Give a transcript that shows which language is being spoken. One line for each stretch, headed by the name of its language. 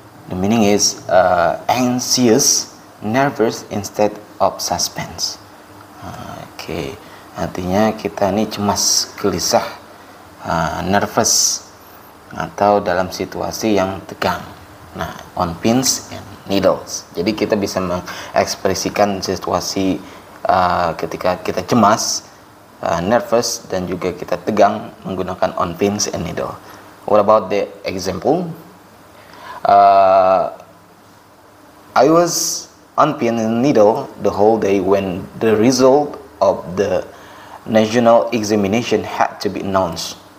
English: The meaning is anxious, nervous instead of suspense.
Indonesian: Oke, artinya kita ini cemas, gelisah, nervous, atau dalam situasi yang tegang. Nah,
English: on pins and needles.
Indonesian: Jadi kita bisa mengekspresikan situasi ketika kita cemas, nervous, dan juga kita tegang menggunakan on pins and needles.
English: What about the example? I was on pins and needles the whole day when the result of the national examination had to be announced.